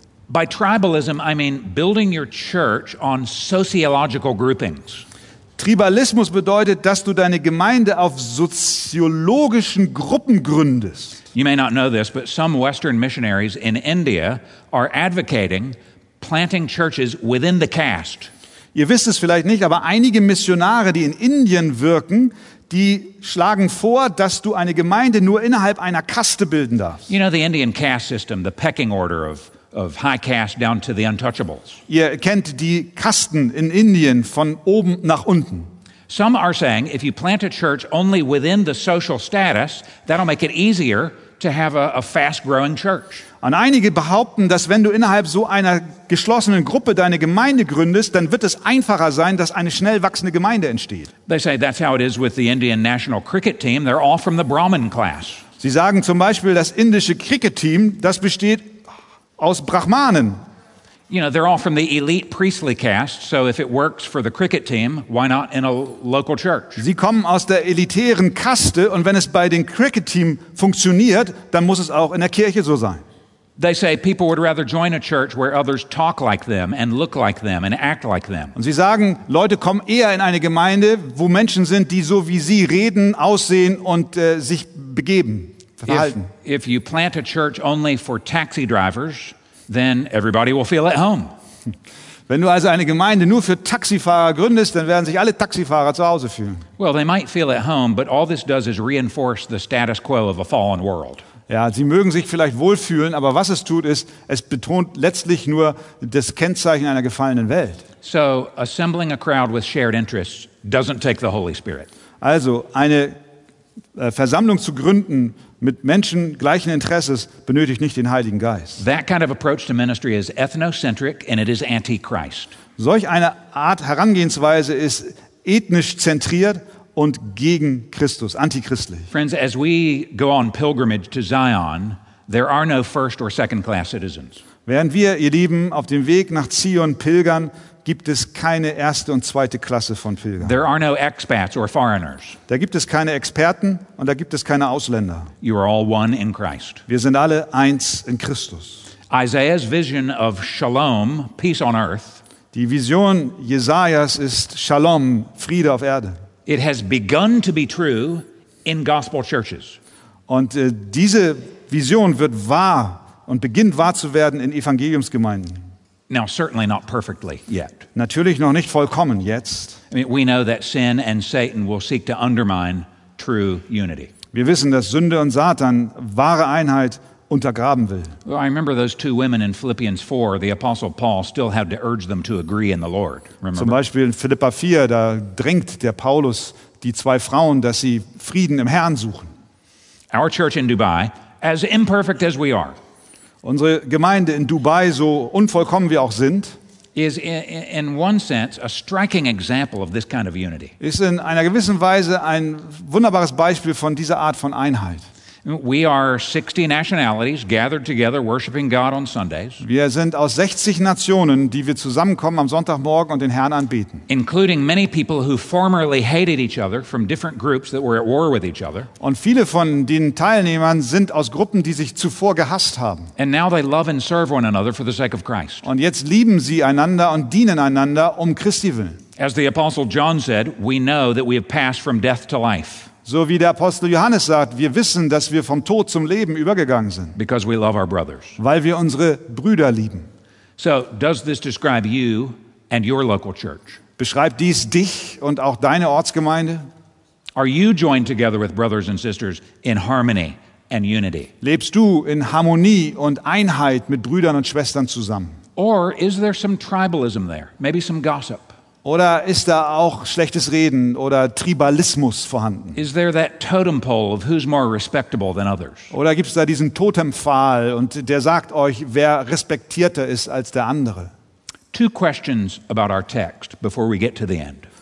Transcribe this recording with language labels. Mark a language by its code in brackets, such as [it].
[en] By tribalism I mean building your church on sociological groupings. [de] Tribalismus bedeutet, dass du deine Gemeinde auf soziologischen Gruppen gründest. [en] You may not know this, but some Western missionaries in India are advocating planting churches within the caste. [de] Ihr wisst es vielleicht nicht, aber einige Missionare, die in Indien wirken, die schlagen vor, dass du eine Gemeinde nur innerhalb einer Kaste bilden darfst. [en] You know the Indian caste system, the pecking order of high caste down to the untouchables. [de] Ihr kennt die Kasten in Indien von oben nach unten. [en] Some are saying if you plant a church only within the social status, that'll make it easier to have a fast growing church. [de] Und einige behaupten, dass wenn du innerhalb so einer geschlossenen Gruppe deine Gemeinde gründest, dann wird es einfacher sein, dass eine schnell wachsende Gemeinde entsteht. [en] They say that's how it is with the Indian national cricket team. They're all from the Brahmin class. [de] Sie sagen zum Beispiel, das indische Cricket-Team, das besteht aus Brahmanen. [en] You know, they're all from the elite priestly caste, so if it works for the cricket team, why not in a local church? [de] Sie kommen aus der elitären Kaste und wenn es bei dem Cricket Team funktioniert, dann muss es auch in der Kirche so sein. [en] They say people would rather join a church where others talk like them and look like them and act like them. [de] Und sie sagen, Leute kommen eher in eine Gemeinde, wo Menschen sind, die so wie sie reden, aussehen und sich begeben, verhalten. [en] If you plant a church only for taxi drivers, then everybody will feel at home. [de] Wenn du also eine Gemeinde nur für Taxifahrer gründest, dann werden sich alle Taxifahrer zu Hause fühlen. [en] Well, they might feel at home, but all this does is reinforce the status quo of a fallen world. [de] Ja, sie mögen sich vielleicht wohlfühlen, aber was es tut, ist, es betont letztlich nur das Kennzeichen einer gefallenen Welt. [en] So, assembling a crowd with shared interests doesn't take the Holy Spirit. [de] Also, eine Versammlung zu gründen mit Menschen gleichen Interesses benötigt nicht den Heiligen Geist. [en] That kind of approach to ministry is ethnocentric and it is anti-Christ. [de] Solch eine Art Herangehensweise ist ethnisch zentriert und gegen Christus, antichristlich. [en] Friends, as we go on pilgrimage to Zion, there are no first or second class citizens. [de] Während wir, ihr Lieben, auf dem Weg nach Zion pilgern, gibt es keine erste und zweite Klasse von Pilgern. [en] There are no expats or foreigners. [de] Da gibt es keine Experten und da gibt es keine Ausländer. [en] You are all one in Christ. [de] Wir sind alle eins in Christus. [en] Isaiah's vision of Shalom, peace on earth. [de] Die Vision Jesajas ist Shalom, Friede auf Erde. [en] It has begun to be true in gospel churches. [de] Und diese Vision wird wahr und beginnt wahr zu werden in Evangeliumsgemeinden. [en] Now, certainly not perfectly yet. [de] Natürlich noch nicht vollkommen jetzt. [en] I mean, we know that sin and Satan will seek to undermine true unity. [de] Wir wissen, dass Sünde und Satan wahre Einheit untergraben will. [en] Well, I remember those two women in Philippians 4. The apostle Paul still had to urge them to agree in the Lord. Remember? [de] Zum Beispiel in Philippa 4, da drängt der Paulus die zwei Frauen, dass sie Frieden im Herrn suchen. [en] Our church in Dubai, as imperfect as we are. [de] Unsere Gemeinde in Dubai, so unvollkommen wir auch sind, [en] is in one sense a striking example of this kind of unity. [de] Ist in einer gewissen Weise ein wunderbares Beispiel von dieser Art von Einheit. [en] We are 60 nationalities gathered together worshiping God on Sundays. [de] Wir sind aus 60 Nationen, die wir zusammenkommen am Sonntagmorgen und den Herrn anbeten. [en] Including many people who formerly hated each other from different groups that were at war with each other. [de] Und viele von den Teilnehmern sind aus Gruppen, die sich zuvor gehasst haben. [en] And now they love and serve one another for the sake of Christ. [de] Und jetzt lieben sie einander und dienen einander um Christi willen. [en] As the apostle John said, we know that we have passed from death to life. [de] So wie der Apostel Johannes sagt, wir wissen, dass wir vom Tod zum Leben übergegangen sind. [en] Because we love our brothers. [de] Weil wir unsere Brüder lieben. [en] So, does this describe you and your local church? [de] Beschreibt dies dich und auch deine Ortsgemeinde? [en] Are you joined together with brothers and sisters in harmony and unity? [de] Lebst du in Harmonie und Einheit mit Brüdern und Schwestern zusammen? [en] Or is there some tribalism there? Maybe some gossip? [de] Oder ist da auch schlechtes Reden oder Tribalismus vorhanden? [en] Is there that totem pole of who's more respectable than others? [de] Oder gibt es da diesen Totempfahl und der sagt euch, wer respektierter ist als der andere? [en] Two questions about our text before we get to the end.